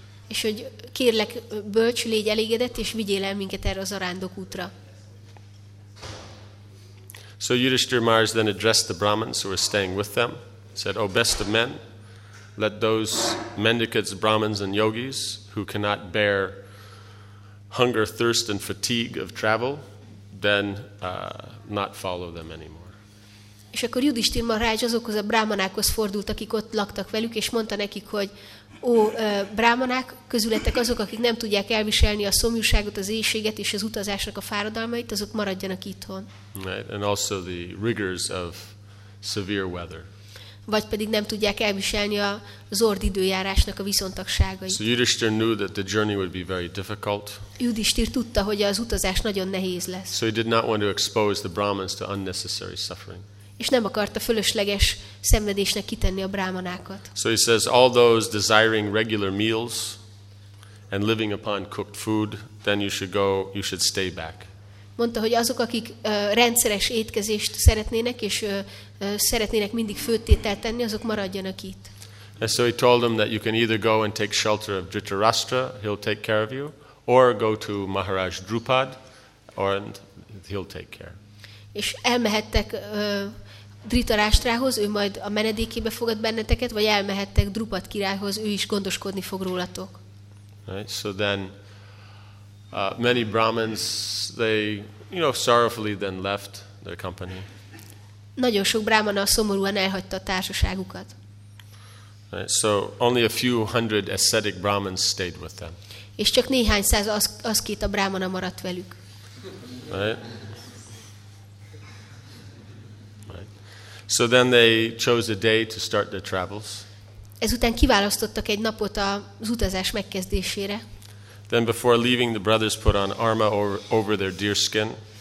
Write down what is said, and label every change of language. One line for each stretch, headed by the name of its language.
Hungarian: És hogy kérlek, bölcs, légy elégedett, és vigyél el minket erre az arándok útra.
English: So Yudhishthira Maharaj then addressed the Brahmins who were staying with them, said, O best of men, let those mendicants, Brahmins, and yogis who cannot bear hunger, thirst, and fatigue of travel, then not follow them anymore.
Hungarian: És akkor Yudhishthira Maharaj azokhoz a brahmanákhoz fordult, akik ott laktak velük, és mondta nekik, hogy ó, brahmanák, közületek azok, akik nem tudják elviselni a szomjúságot, az éhséget és az utazásnak a fáradalmait, azok maradjanak itthon.
English: Right, and also the rigors of severe weather.
Hungarian: Vagy pedig nem tudják elviselni a zord időjárásnak a viszontagságait.
English: So Yudhishthira knew that the journey would be very difficult.
Hungarian: Yudhishthira tudta, hogy az utazás nagyon nehéz lesz.
English: So he did not want to expose the Brahmins to unnecessary suffering.
Hungarian: És nem akarta fölösleges szenvedésnek kitenni a brámanákat.
English: So he says, all those desiring regular meals and living upon cooked food, then you should stay back.
Hungarian: Mondta, hogy azok, akik rendszeres étkezést szeretnének, és szeretnének mindig főtételt tenni, azok maradjanak itt.
English: And so he told them that you can either go and take shelter of Dhritarashtra, he'll take care of you, or go to Maharaj Drupad, and he'll take care.
Hungarian: És elmehettek Dhritarashtrához, ő majd a menedékébe fogad benneteket, vagy elmehettek Drupad királyhoz, ő is gondoskodni fog rólatok.
English: Right, so then many Brahmins, they, you know, sorrowfully then left their company.
Hungarian: Nagyon sok brahmana szomorúan elhagyta a társaságukat.
English: Right, so only a few hundred ascetic Brahmins stayed with them.
Hungarian: És csak néhány száz aszkéta brahmana maradt velük.
English: Right. So then they chose a day to start their travels.
Hungarian: Ezután kiválasztottak egy napot az utazás megkezdésére.
English: Then before leaving, the brothers put on armor over their deer skin.